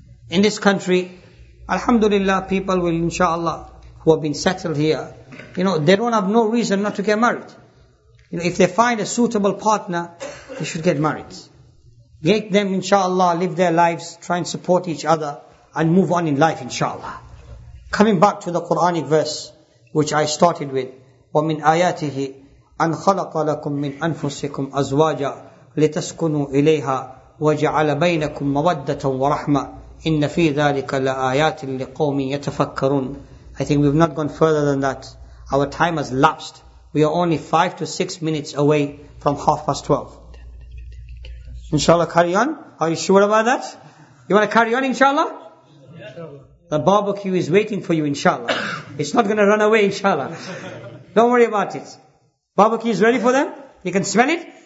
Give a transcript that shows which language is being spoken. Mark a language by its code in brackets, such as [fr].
[en] In this country, alhamdulillah, people will, inshallah, who have been settled here, you know, they don't have no reason not to get married. You know, if they find a suitable partner, they should get married. Make them, inshallah, live their lives, try and support each other, and move on in life, inshallah. Coming back to the Quranic verse, which I started with, [ar] وَمِنْ آيَاتِهِ أَنْ خَلَقَ لَكُمْ مِنْ أَنفُسِكُمْ أَزْوَاجًا لِتَسْكُنُوا إِلَيْهَا وَجَعَلَ بَيْنَكُمْ مَوَدَّةً وَرَحْمَةً إِنَّ فِي ذَلِكَ لَآيَاتٍ لِقَوْمٍ يَتَفَكَّرُونَ. [en] I think we've not gone further than that. Our time has lapsed. We are only 5 to 6 minutes away from 12:30. Inshallah, carry on. Are you sure about that? You want to carry on, inshallah? The barbecue is waiting for you, inshallah. It's not going to run away, inshallah. Don't worry about it. Barbecue is ready for them. You can smell it.